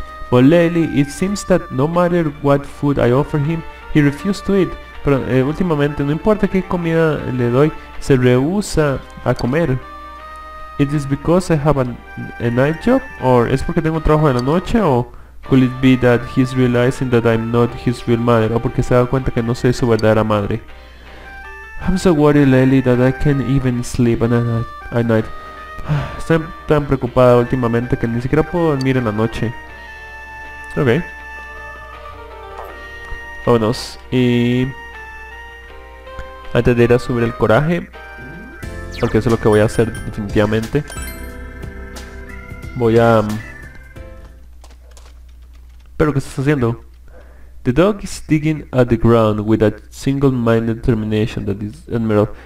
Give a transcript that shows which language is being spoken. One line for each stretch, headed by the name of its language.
English: But lately, it seems that no matter what food I offer him, he refused to eat.
Spanish: Pero últimamente, no importa qué comida le doy, se rehúsa a comer. It is because I have a night job, or es porque tengo trabajo de la noche, o could it be that he's realizing that I'm not his real mother, o porque se da cuenta que no soy su verdadera madre.
English: I'm so worried lately that I can't even sleep at night.
Spanish: Estoy tan preocupada últimamente que ni siquiera puedo dormir en la noche. Ok. Vámonos. Y... antes de ir a subir el coraje, porque eso es lo que voy a hacer definitivamente, voy a... ¿pero qué estás haciendo?
English: The dog is digging at the ground with a single-minded determination that is admirable.